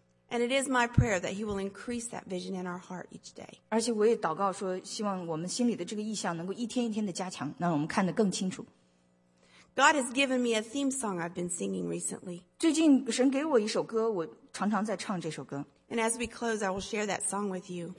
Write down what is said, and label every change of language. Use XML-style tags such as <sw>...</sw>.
<en>And it is my prayer that He will increase that vision in our heart each day.</en> <zh>而且我也祷告说，希望我们心里的这个意向能够一天一天的加强，让我们看得更清楚。</zh> <en>God has given me a theme song I've been singing recently.</en> <zh>最近神给我一首歌，我常常在唱这首歌。</zh> <en>And as we close, I will share that song with you.</en>